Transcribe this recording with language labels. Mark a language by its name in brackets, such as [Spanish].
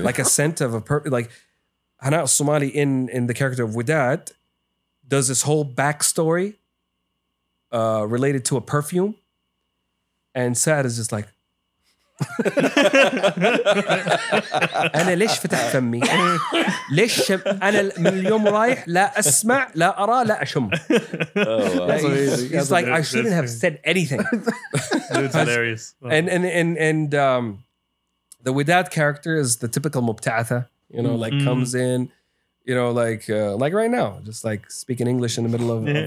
[English] Like a scent of a perfume. Like Hana Somali in the character of Wadad does this whole backstory related to a perfume. And Saad is just like, [Arabic] أنا ليش فتحت فمي؟ ليش أنا من اليوم رايح لا أسمع لا أرى لا أشم. [English] It's like I shouldn't have said anything. It's hilarious. And the Widad character is the typical مبتعثة, you know, like comes in, you know, like right now, just like speaking English in the middle of